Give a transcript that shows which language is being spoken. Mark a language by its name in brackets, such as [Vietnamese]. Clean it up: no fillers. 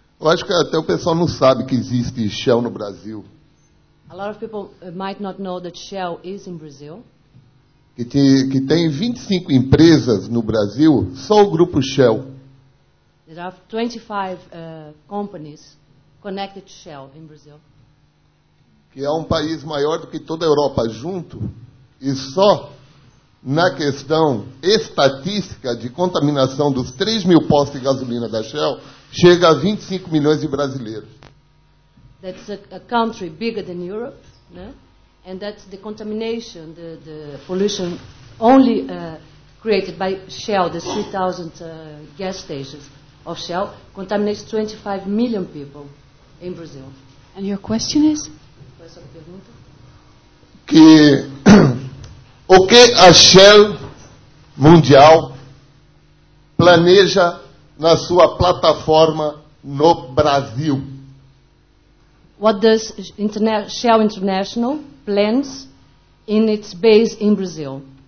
[Portuguese] Eu acho que até o pessoal não sabe que existe Shell no Brasil. [English] A lot of people might not know that Shell is in Brazil. [Portuguese] Que tem 25 empresas no Brasil, só o grupo Shell. [English] There are 25 companies connected to Shell in Brazil. [Portuguese] Que é um país maior do que toda a Europa junto. E só na questão estatística de contaminação dos 3 mil postos de gasolina da Shell, chega a 25 milhões de brasileiros. [English] That's a country bigger than Europe, né? And that's the contamination, the pollution only created by Shell, the 3,000 gas stations of Shell, contaminates 25 million people in Brazil. And your question is? [Portuguese] Que... O que a Shell Mundial planeja na sua plataforma no Brasil? [English] What does Shell International plans in its base in Brazil